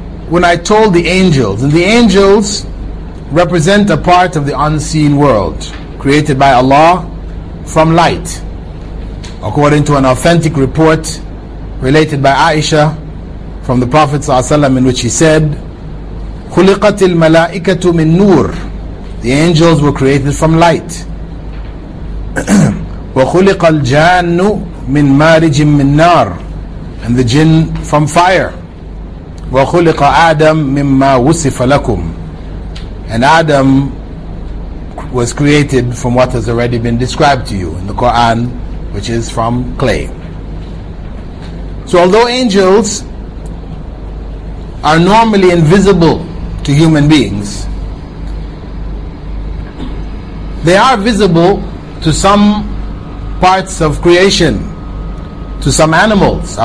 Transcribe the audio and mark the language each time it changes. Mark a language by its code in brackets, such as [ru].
[en] when I told the angels, and the angels represent a part of the unseen world created by Allah from light, according to an authentic report related by Aisha from the Prophet ﷺ, in which he said, [ar] خُلِقَتِ الْمَلَائِكَةُ مِن نُورِ, [en] the angels were created from light. [ar] وَخُلِقَ الْجَانُّ مِن مَارِجٍ مِن نَارٍ, [en] and the jinn from fire. [ar] وَخُلِقَ آدَمُ مِمَّا وُسِفَ لَكُمْ, [en] and Adam was created from what has already been described to you in the Quran, which is from clay. So although angels are normally invisible to human beings, they are visible to some parts of creation, to some animals.